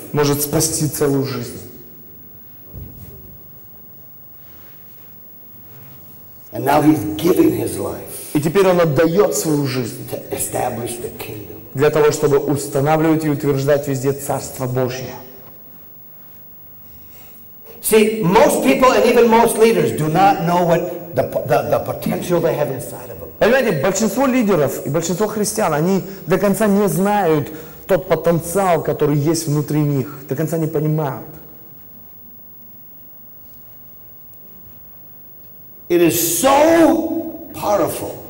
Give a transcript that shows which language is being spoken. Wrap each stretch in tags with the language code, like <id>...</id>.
<ru>Может спасти целую жизнь.</ru> <en>And now he's giving his life.</en> <ru>И теперь он отдает свою жизнь.</ru> <en>To establish the kingdom.</en> <ru>Для того, чтобы устанавливать и утверждать везде Царство Божье.</ru> <en>See, most people and even most leaders do not know what the potential they have inside of them.</en> <ru>Понимаете, большинство лидеров и большинство христиан, они до конца не знают тот потенциал, который есть внутри них. До конца не понимают.</ru> <en>It is so powerful.</en>